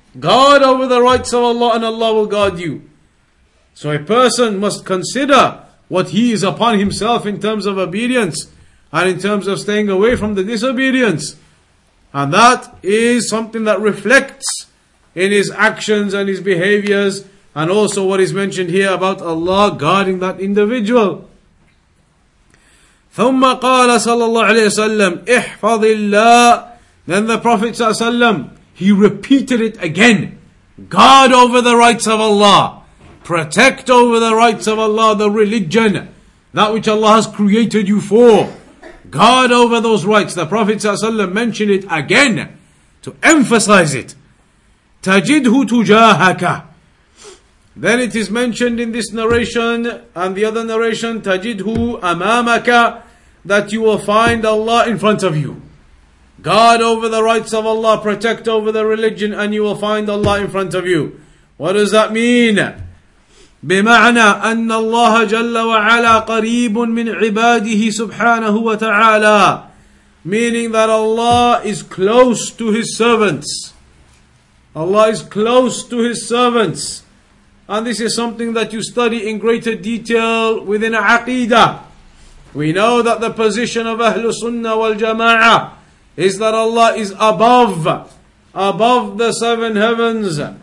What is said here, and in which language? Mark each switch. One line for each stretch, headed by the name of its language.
English: Guard over the rights of Allah and Allah will guard you. So a person must consider what he is upon himself in terms of obedience and in terms of staying away from the disobedience. And that is something that reflects in his actions and his behaviors, and also what is mentioned here about Allah guarding that individual.
Arabic: ثم قال صلى الله عليه وسلم احفظ الله.
English: Then the Prophet
Arabic: صلى الله عليه وسلم,
English: he repeated it again. Guard over the rights of Allah. Protect over the rights of Allah, the religion, that which Allah has created you for. Guard over those rights. The Prophet
Arabic: صلى الله عليه وسلم
English: mentioned it again to emphasize it.
Arabic: تجده تجاهك.
English: Then it is mentioned in this narration and the other narration,
Arabic: تجده أمامك,
English: that you will find Allah in front of you. Guard over the rights of Allah, protect over the religion, and you will find Allah in front of you. What does that mean?
Arabic: بمعنى أن الله جل وعلا قريب من عباده سبحانه وتعالى.
English: Meaning that Allah is close to His servants. Allah is close to His servants. And this is something that you study in greater detail within Aqeedah. We know that the position of Ahlu Sunnah wal Jama'ah is that Allah is above the seven heavens,